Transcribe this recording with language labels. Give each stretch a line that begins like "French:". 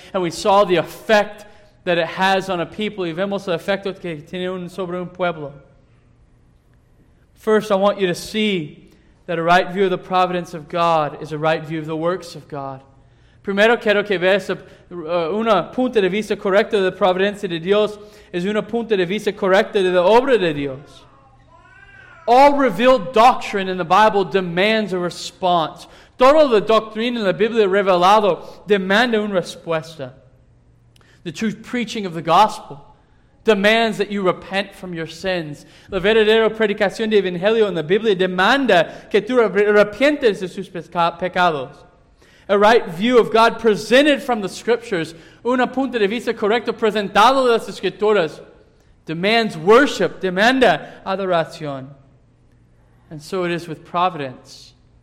English: And we saw the effect that it has on a people.
Spanish: Y vemos el efecto que tiene sobre un pueblo.
English: First, I want you to see that a right view of the providence of God is a right view of the works of God.
Spanish: Primero quiero que veas una punta de vista correcta de la providencia de Dios es una punta de vista correcta de la obra de Dios.
English: All revealed doctrine in the Bible demands a response.
Spanish: Toda la doctrina en la Biblia revelado demanda una respuesta.
English: The true preaching of the gospel demands that you repent from your sins.
Spanish: La verdadera predicación del Evangelio en la Biblia demanda que tú arrepientes de sus pecados.
English: A right view of God presented from the scriptures,
Spanish: una punta de vista correcta presentado de las escrituras,
English: demands worship,
Spanish: demanda adoración.
English: And so it is with providence.